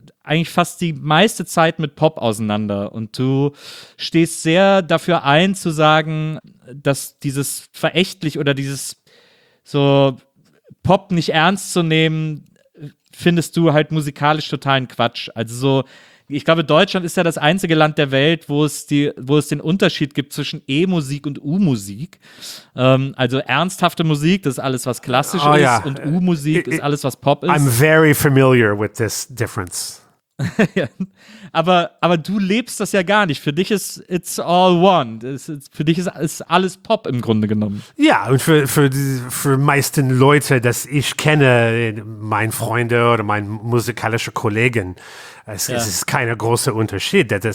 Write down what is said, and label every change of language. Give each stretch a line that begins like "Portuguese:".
German: eigentlich fast die meiste Zeit mit Pop auseinander. Und du stehst sehr dafür ein, zu sagen, dass dieses verächtlich oder dieses so Pop nicht ernst zu nehmen, findest du halt musikalisch totalen Quatsch. Also so, ich glaube, Deutschland ist ja das einzige Land der Welt, wo es den Unterschied gibt zwischen E-Musik und U-Musik. Also ernsthafte Musik, das ist alles, was klassisch ist, yeah. Und U-Musik ist alles, was Pop ist.
English: I'm very familiar with this difference.
German: aber du lebst das ja gar nicht. Für dich ist
English: it's all one.
German: Für dich ist alles Pop im Grunde genommen. Ja, und für die meisten Leute, das ich kenne, meine Freunde oder meine musikalische Kollegen, es ist kein großer Unterschied.